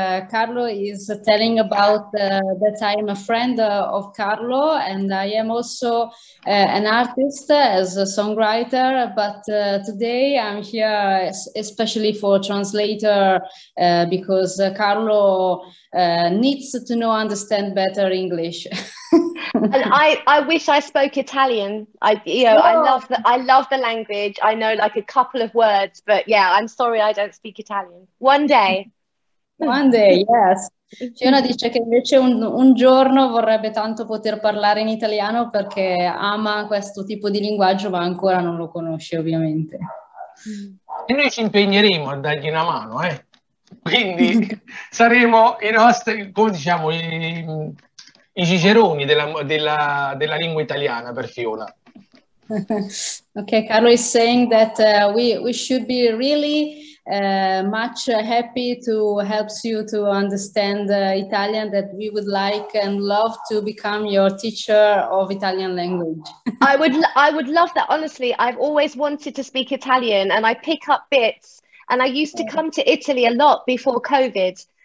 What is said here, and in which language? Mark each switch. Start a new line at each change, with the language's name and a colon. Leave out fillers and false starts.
English: Carlo is telling about that I am a friend of Carlo, and I am also an artist as a songwriter, but today I'm here especially for translator because Carlo needs to know understand better English. And I wish I spoke Italian. I love the language. I know like a couple of words, but yeah, I'm sorry I don't speak Italian. One day, yes.
Italian: Fiona dice che invece un giorno vorrebbe tanto poter parlare in italiano perché ama questo tipo di linguaggio, ma ancora non lo conosce, ovviamente. E noi ci impegneremo a dargli una mano, Quindi saremo i nostri, come diciamo, i ciceroni della lingua italiana per Fiona.
English: Okay, Carlo is saying that we should be really much happy to help you to understand Italian, that we would like and love to become your teacher of Italian language. I would love that, honestly. I've always wanted to speak Italian, and I pick up bits, and I used to come to Italy a lot before COVID.